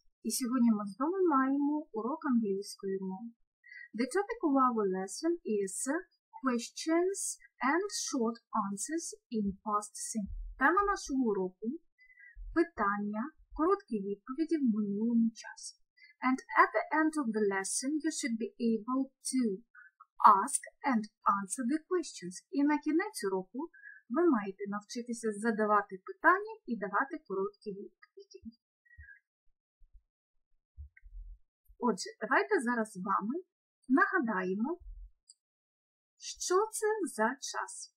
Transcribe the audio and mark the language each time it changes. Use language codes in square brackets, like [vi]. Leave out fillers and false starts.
[uk] І сьогодні ми знову маємо урок англійської мови. [en] The topic of our lesson is questions and short answers in past simple. [uk] Тема нашого уроку – питання, короткі відповіді в минулому часі. [en] And at the end of the lesson you should be able to ask and answer the questions. [uk] І на кінець уроку ви маєте навчитися задавати питання і давати короткі відповіді. Отже, давайте зараз з вами нагадаємо, що це за час.